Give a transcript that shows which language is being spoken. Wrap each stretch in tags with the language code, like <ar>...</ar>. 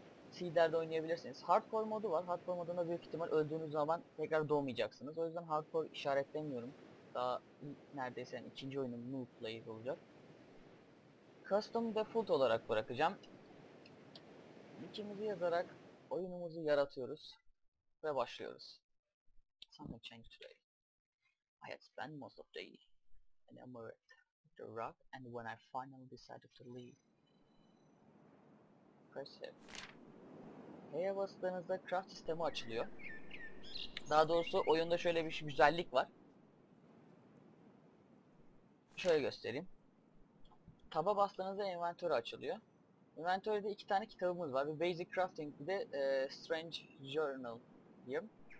<tr>Seed'lerde oynayabilirsiniz. Hardcore modu var. Hardcore modunda büyük ihtimal öldüğünüz zaman tekrar doğmayacaksınız. O yüzden hardcore işaretlemiyorum. Daha neredeyse yani ikinci oyunum new player olacak. Custom default olarak bırakacağım. Nick'imizi yazarak oyunumuzu yaratıyoruz ve başlıyoruz.</tr> <en>Something changed today. I had spent most of the day enamored with the rock, and when I finally decided to leave, press it.</en> <tr>Heye bastığınızda craft sistemi açılıyor. Daha doğrusu oyunda şöyle bir güzellik var. Şöyle göstereyim. Tab'a bastığınızda inventory açılıyor. Inventory'de iki tane kitabımız var. Bir Basic Crafting, bir de Strange Journal diyeyim.</tr>